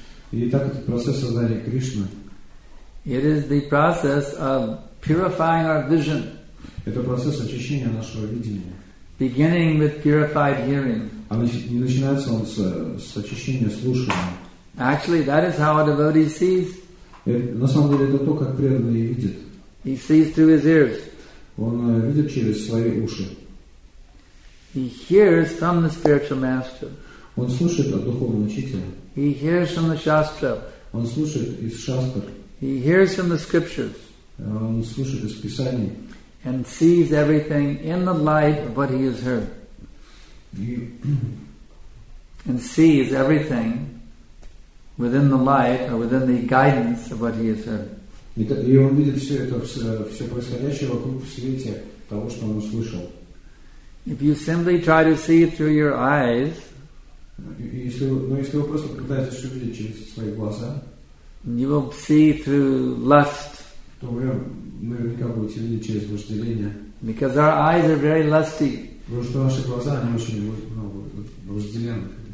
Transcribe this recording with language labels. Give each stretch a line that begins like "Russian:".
Russian: И так этот процесс сознания Кришны.
English: It is the process of purifying our vision.
Russian: Это процесс очищения нашего видения.
English: Beginning with purified hearing.
Russian: А начинается он с очищения слушания.
English: Actually, that is how a devotee sees.
Russian: На самом деле это то, как преданный видит.
English: He sees through his ears.
Russian: Он видит через свои уши.
English: He hears from the spiritual master.
Russian: Он слушает от духовного учителя.
English: He hears from the shastra.
Russian: Он слушает из шастр.
English: He hears from the scriptures.
Russian: Он слушает из писаний.
English: And sees everything in the light of what he has heard. And sees everything within the light or within the guidance of what he has heard.
Russian: И он видит все это, все происходящее вокруг в свете того, что он услышал.
English: If you simply try to see it through your eyes,
Russian: если вы просто пытаетесь все видеть через свои глаза,
English: you will see through lust.
Russian: То вы наверняка будете видеть через вожделение.
English: Because our eyes are very lusty.
Russian: Потому что ваши глаза, они очень вожделенны.